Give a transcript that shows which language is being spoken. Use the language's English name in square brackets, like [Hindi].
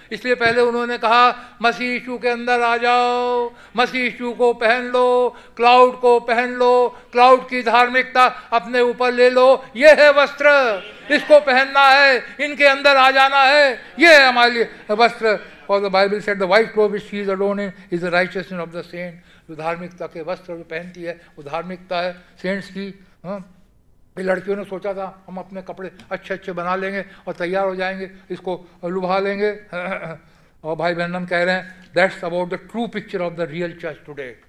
[Hindi] इसलिए पहले उन्होंने कहा मसीह यीशु के अंदर आ जाओ, मसीह यीशु को पहन लो, क्लाउड को पहन लो, क्लाउड की धार्मिकता अपने ऊपर ले लो। ये है वस्त्र, इसको पहनना है, इनके अंदर आ जाना है, ये है हमारे लिए वस्त्र। [English] For the Bible said, the white robe which she is alone in is the righteousness of the saint. [Hindi] जो धार्मिकता के वस्त्र पहनती है वो धार्मिकता है सेंट्स की। ये लड़कियों ने सोचा था हम अपने कपड़े अच्छे अच्छे बना लेंगे और तैयार हो जाएंगे, इसको लुभा लेंगे। और भाई बहन हम कह रहे हैं [English] That's about the true picture of the real church today.